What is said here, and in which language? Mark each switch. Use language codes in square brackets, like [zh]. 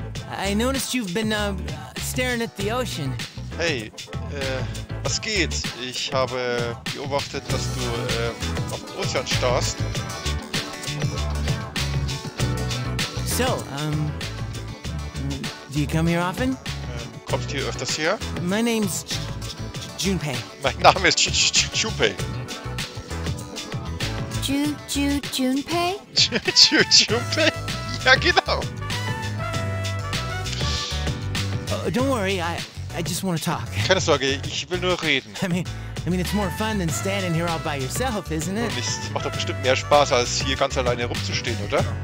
[en] I noticed you've been staring at the ocean. [de] Hey, was geht? Ich habe beobachtet, dass du auf den Ozean starrst. [en] So, do you come here often? [de] Kommst du öfters her? [en] My name's Junpei. [de] Mein Name ist Junpei. [en] Junpei? [de] Junpei? Ja, genau. [en] Don't worry, I just want to talk. [de] Keine Sorge, ich will nur reden. [en] I mean, it's more fun than standing here all by yourself, isn't it? [de] Es macht doch bestimmt mehr Spaß, als hier ganz alleine rumzustehen, oder?